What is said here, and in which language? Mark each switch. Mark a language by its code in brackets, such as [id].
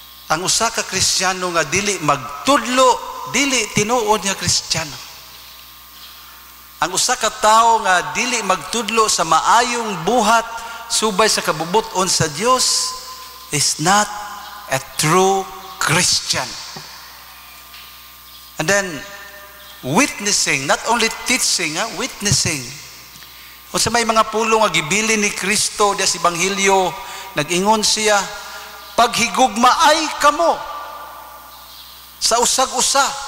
[ceb] Ang usa ka Kristiyano nga dili magtudlo, dili tinuod nga Kristiyano. Ang usa ka tawo nga dili magtudlo sa maayong buhat subay sa kabubuton sa Dios [en] is not a true Christian. And then witnessing, not only teaching, witnessing. [ceb] O sa may mga pulong nga gibili ni Kristo di sa Ebanghelyo, nag-ingon siya, paghigugmaay kamo sa usag-usa.